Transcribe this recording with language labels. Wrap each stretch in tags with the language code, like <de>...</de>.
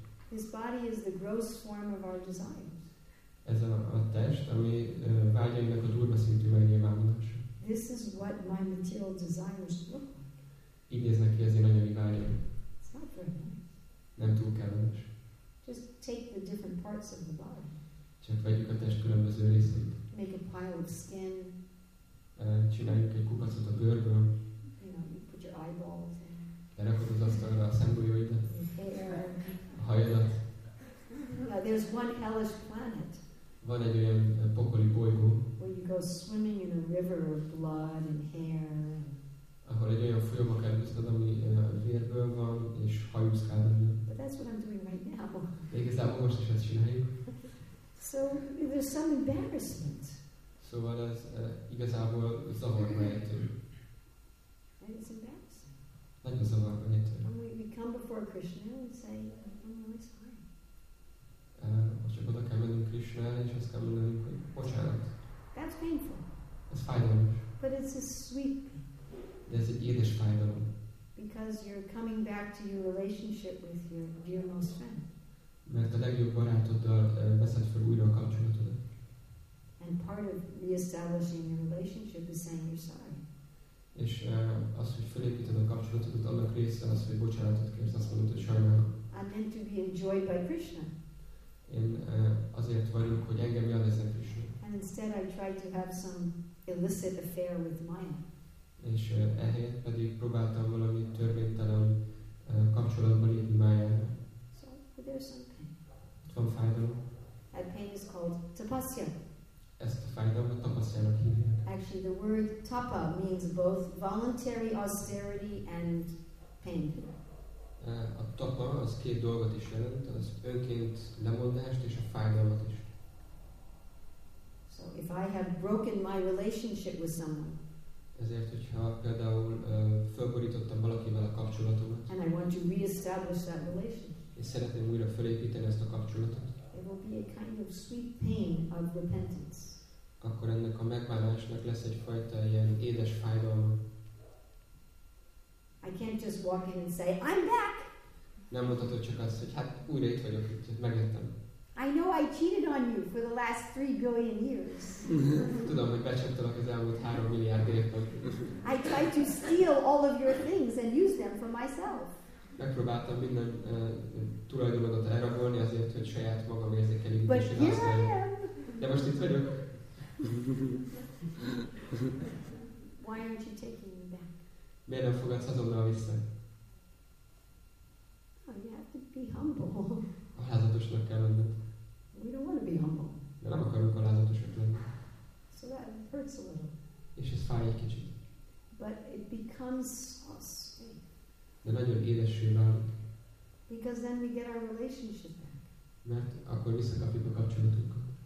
<en>His body is the gross form of our desires.</en> <hu>Ez a test, ami vágyainknak a durva szintű megnyilvánulása.</hu> <en>This is what my material desires look like.</en> <hu>Így néznek ki az én anyagi vágyaim.</hu> <en>It's not very nice.</en> <hu>Nem túl kellemes.</hu> <en>Just take the different parts of the body.</en> <hu>Csak vegyük a test különböző részeit.</hu> <en>Make a pile of skin.</en> <hu>Csináljuk egy kupacot a bőrből.</hu> <en>You know, you put your eyeballs in.</en> <hu>Lerakod az asztalra a szemgolyóidat, a hajadat.</hu> <en>There's one hellish planet.</en> <hu>Van egy olyan pokoli bolygó.</hu> <en>Where you go swimming in a river of blood and hair.</en> <hu>Ahol egy olyan folyóba kerülted, ami vérből van és hajuszkálban.</hu> <en>But that's what I'm doing right now.</en> <hu>De igazából most is ezt csináljuk.</hu> <en>So there's some embarrassment.</en> <hu>Szóval ez igazából zavarba ejtő. Nagyon szavar van itt.</hu> <en>We come before Krishna and say, it's fine.</en> <hu>Most csak oda kell mennünk Krishna, és azt kell mondanunk, hogy bocsánat.</hu> <en>That's painful.</en> <hu>Ez fájdalmas.</hu> <en>But it's a sweet.</en> <hu>De ez egy édes fájdalom.</hu> <en>Because you're coming back to your relationship with your dear most friend.</en> <hu>Mert a legjobb barátoddal veszed fel újra a kapcsolatodat.</hu> <en>And part of reestablishing your relationship is saying you're sorry.</en> <hu>És az, hogy felépíted a kapcsolatot, annak része az, hogy bocsánatot kérsz, azt mondod, hogy sajnálok.</hu> <en>I'm meant to be enjoyed by Krishna.</en> <hu>Én azért vagyok, hogy engem élvezzen Krishna.</hu> <en>And instead I tried to have some illicit affair with Maya.</en> <hu>És ehelyett pedig próbáltam valami törvénytelen kapcsolatba lépni Mayára.</hu> <en>So, there's some pain.</en> <hu>Itt van fájdalom.</hu> <en>That pain is called tapasya.</en> <hu>Ezt a fájdalmat tapasztalnak hívják.</hu> <en>Actually the word tapa means both voluntary austerity and pain.</en> <hu>A tapa az két dolgot is jelent, az önként lemondást és a fájdalmat is.</hu> <en>So if I have broken my relationship with someone.</en> <hu>Ezért, hogyha például felborítottam valakivel a kapcsolatomat.</hu> <en>And I want to re-establish that relationship.</en> <hu>És szeretném újra felépíteni ezt a kapcsolatot.</hu> <en>It will be a kind of sweet pain of repentance.</en> <hu>Akkor ennek a megbánásnak lesz egyfajta ilyen édes fájdalma.</hu> <en>I can't just walk in and say, I'm back!</en> <hu>Nem mondhatod csak azt, hogy hát újra itt vagyok, itt megjöttem.</hu> <en>I know I cheated on you for the last 3 billion years.</en> <hu>Tudom, hogy becsaptalak az elmúlt 3 milliárd évben.</hu> <en>I tried to steal all of your things and use them for myself.</en> <hu>Megpróbáltam minden tulajdonodat elrabolni azért, hogy saját magam érzékelik.</hu> <en>But here I am.</en> <hu>De most itt vagyok.</hu> <en>Why aren't you taking me back?</en> <hu>Miért nem fogadsz azonnal vissza?</hu> <en>be humble.</en> <hu>Alázatosnak kell lenni.</hu> <en>We don't want to be humble.</en> <hu>De nem akarunk alázatosak lenni.</hu> <en>So that hurts a little.</en> <hu>És ez fáj egy kicsit.</hu> <en>But it becomes so sweet.</en> <hu>De nagyon édessé válik.</hu> <en>Because then we get our relationship back.</en> <hu>Mert akkor visszakapjuk a kapcsolatunkat.</hu>